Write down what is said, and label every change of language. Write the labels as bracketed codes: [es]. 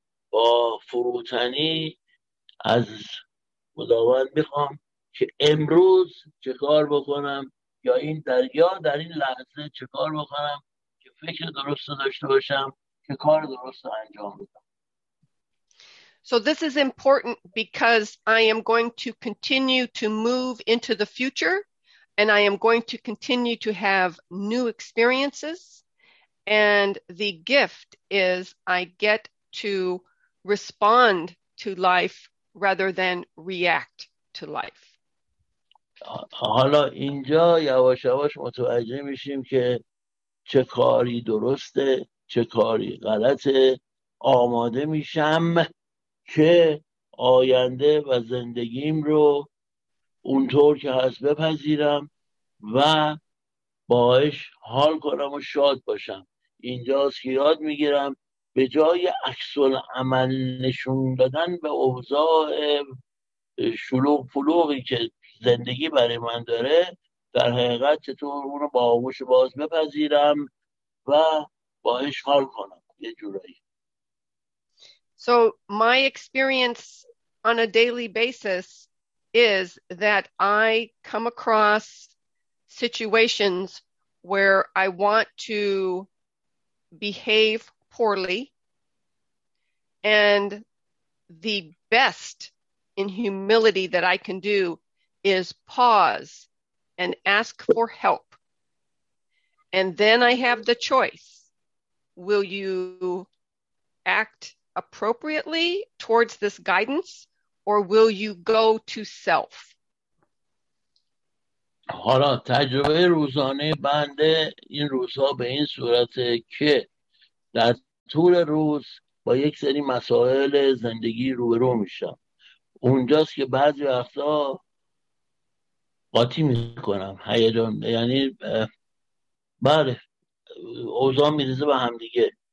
[fa] با فروتنی از خداوند میخوام که امروز چه کار بکنم، یا در این لحظه چه کار بکنم که فکر درست داشته باشم که کار درست انجام بدم. [en] So this is important because I am going to continue to move into the future, and I am going to continue to have new experiences, and the gift is I get to respond to life rather than react to life. [fa] حالا اینجا یواش یواش متوجه میشیم که چه کاری درسته چه کاری غلطه، آماده میشم که آینده و زندگیم رو اونطور که هست بپذیرم و باهاش حال کنم و شاد باشم. اینجاست که یاد میگیرم به جای عکس العمل نشون دادن به اوضاع شلوغ پلوغی که زندگی برای من داره، در حقیقت چطور اونو با آغوش باز بپذیرم و باهاش حال کنم یه جورایی. [en] So my experience on a daily basis is that I come across situations where I want to behave poorly, and the best in humility that I can do is pause and ask for help. And then I have the choice. Will you act appropriately towards this guidance, or will you go to self? [fa] حالا تجربه روزانه بنده این روزها به این صورته که در طول روز با یک سری مسائل زندگی روبرو میشم. اونجاست که بعضی وقتا قاطی میکنم، هیجان، یعنی بله اوضاع میرزه به همدیگه.